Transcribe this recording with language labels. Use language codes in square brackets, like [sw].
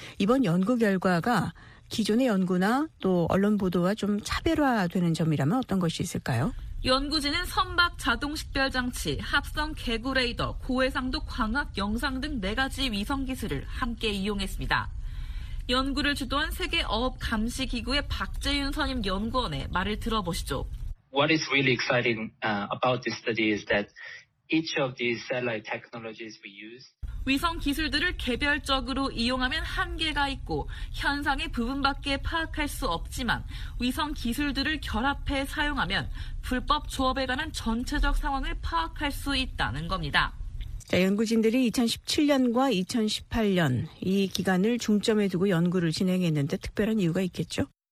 [ko] 이번 연구 결과가 기존의 연구나 또 언론 보도와 좀 차별화되는 점이라면 어떤 것이 있을까요? 연구진은 선박 자동식별장치, 합성 개구 레이더, 고해상도 광학 영상 등 4가지 위성기술을 함께 이용했습니다. 연구를 주도한 세계어업감시기구의 박재윤 선임 연구원의 말을 들어보시죠. [en] What is really exciting about this study is that each of these satellite technologies we use [ko] 위성 기술들을 개별적으로 이용하면 한계가 있고 현상의 부분밖에 파악할 수 없지만 위성 기술들을 결합해 사용하면 불법 조업에 관한 전체적 상황을 파악할 수 있다는 겁니다. 자, 연구진들이 2017년과 2018년 이 기간을 중점에 두고 연구를 진행했는데 특별한 이유가 있겠죠?